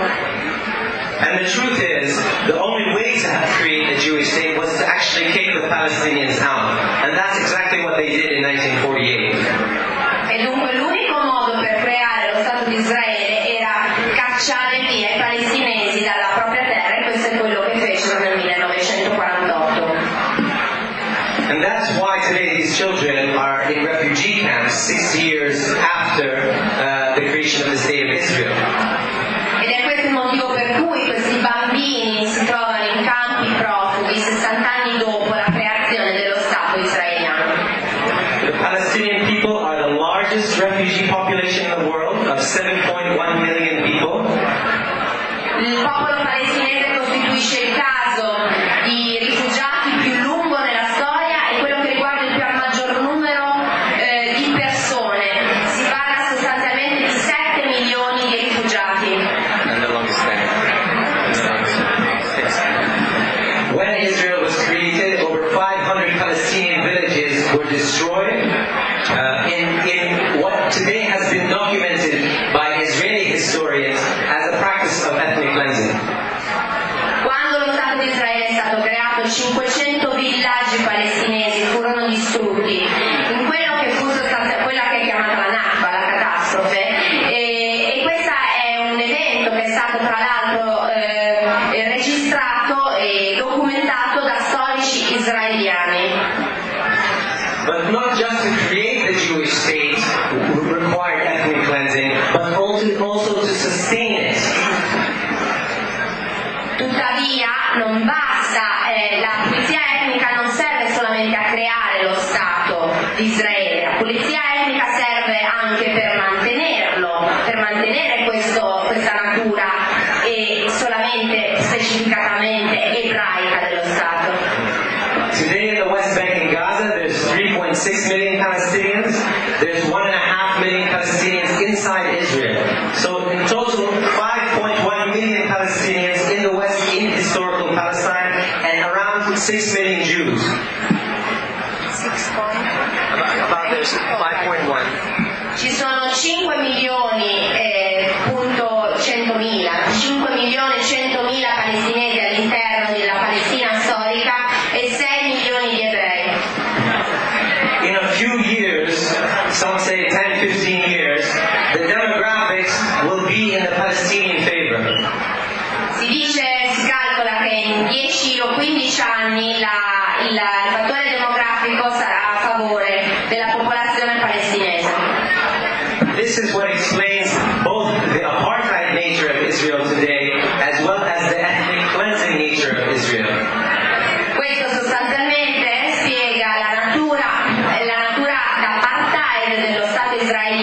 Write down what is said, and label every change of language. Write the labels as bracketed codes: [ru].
[en] And the truth is, the only way to create a Jewish state was to actually kick the Palestinians out, and that's exactly what they did in 1948. [it] E dunque l'unico modo per creare lo Stato di Israele era cacciare via i palestinesi dalla propria terra, e questo è quello che fecero nel 1948. [en] And that's why today these children are in refugee camps 6 years after the creation of the State of Israel. [it] Ed è questo il motivo per cui questi bambini si trovano in campi profughi 60 anni dopo la creazione dello Stato israeliano. [en] The Palestinian people are the largest refugee population in the world of 7.1 million people. [it] Il popolo palestinese costituisce il caso di rifugiati più lungo nella storia e quello che riguarda il maggior numero di persone. Si parla sostanzialmente di 7 milioni di rifugiati. [en] When Israel was created, over 500 Palestinian villages were destroyed. In what today has been documented by Israeli historians as a practice of ethnic cleansing. [it] Quando lo Stato di Israele è stato creato, 500 villaggi palestinesi furono distrutti. In quello che fu sostanzialmente quella che è chiamata la Nakba, la catastrofe, e questo è un evento che è stato tra l'altro registrato e documentato da storici israeliani. [en] But not just to create the Jewish state required ethnic cleansing, but also to sustain it. [it] Tuttavia, non basta, la pulizia etnica non serve solamente a creare lo Stato di Israele, la pulizia etnica serve anche per mantenerlo, per mantenere questa natura e solamente, specificatamente, ebraica dello Stato. [en] Today in the West Bank in Gaza there's 3.6 million Palestinians, there's 1.5 million Palestinians inside Israel. So in total 5.1 million Palestinians in the West in historical Palestine and around 6 million Jews. About 5.1. [it] Ci sono 5 milioni e punto 100.000, 5 milioni e 100.000 palestinesi all'interno della Palestina storica e 6 milioni di ebrei. [en] In a few years, some say 10-15 years, the demographics will be in the Palestinian favor. [it] Si dice, si calcola che in 10 o 15 anni il fattore demografico sarà a favore della popolazione palestinese. [en] This is what explains both the apartheid nature of Israel today as well as the ethnic cleansing nature of Israel. [it] Questo sostanzialmente spiega la natura d'apartheid dello Stato israeliano.